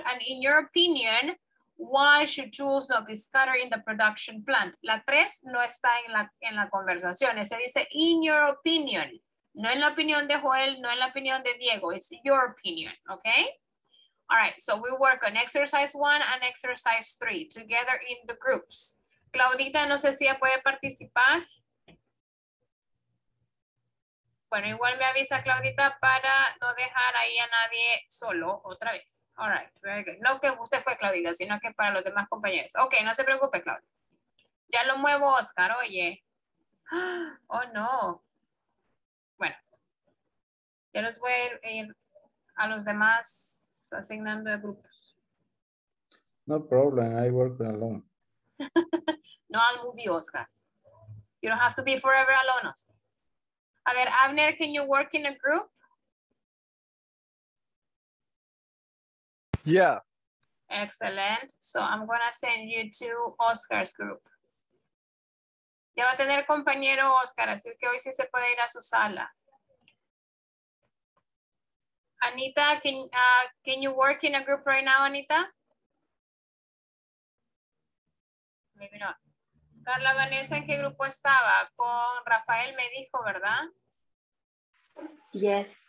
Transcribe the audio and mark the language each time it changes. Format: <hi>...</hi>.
<en>And in your opinion, why should tools not be scattered in the production plant?</en> <es>La tres no está en la conversación. Se dice,</es> <en>in your opinion.</en> <es>No en la opinión de Joel, no en la opinión de Diego.</es> <en>It's your opinion, okay? All right, so we work on exercise one and exercise three together in the groups.</en> <es>Claudita, no sé si ya puede participar. Bueno, igual me avisa Claudita para no dejar ahí a nadie solo otra vez.</es> <en>All right, very good.</en> <es>No que usted fue Claudita, sino que para los demás compañeros. Ok, no se preocupe, Claudia. Ya lo muevo, Oscar, oye. Oh, no. Bueno. Ya los voy a ir a los demás asignando de grupos.</es> <en>No problem, I work alone. No, I'll move you, Oscar. You don't have to be forever alone, Oscar.</en> <es>A ver,</es> <en>Abner, can you work in a group? Yeah. Excellent. So I'm going to send you to Oscar's group.</en> <es>Ya va a tener compañero Oscar, así que hoy sí se puede ir a su sala.</es> <en>Anita, can you work in a group right now, Anita? Maybe not.</en> <es>Carla Vanessa, ¿en qué grupo estaba? Con Rafael me dijo, ¿verdad?</es> <en>Yes.</en>